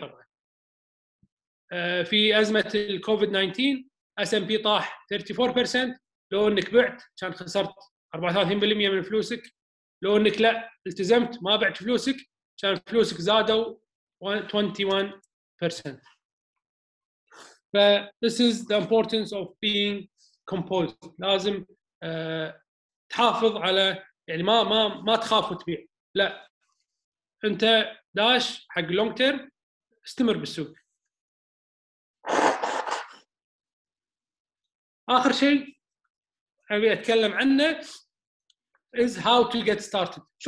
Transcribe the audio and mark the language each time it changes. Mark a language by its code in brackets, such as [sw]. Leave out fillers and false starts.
[ar] طبعا في أزمة الكوفيد 19 S&P طاح 34%. لو أنك بعت كان خسرت 34% من فلوسك، لو أنك لا التزمت ما بعت فلوسك كان فلوسك زادوا 21%. ف [en] this is the importance of being composed. [ar] لازم تحافظ على، يعني ما تخاف وتبيع، لا انت داش حق لونج تيرم، استمر بالسوق. اخر شيء ابي اتكلم عنه [en] is how to get started.